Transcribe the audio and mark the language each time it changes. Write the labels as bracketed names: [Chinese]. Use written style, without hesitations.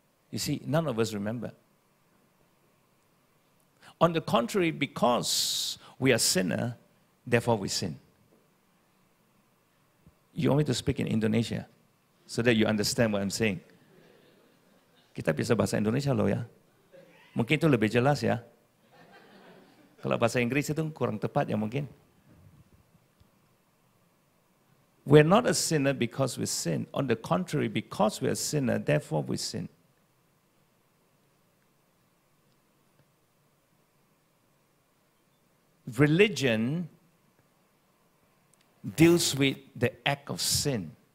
[English] You see, none of us remember. On the contrary, because we are sinner, therefore we sin. You want me to speak in Indonesia so that you understand what I'm saying? [Indonesian] Kita bisa bahasa Indonesia loh ya. Mungkin itu lebih jelas ya. Kalau bahasa Inggris itu kurang tepat ya mungkin. [English] We're not a sinner because we sin. On the contrary, because we're a sinner, therefore we sin. Religion deals with the act of sin.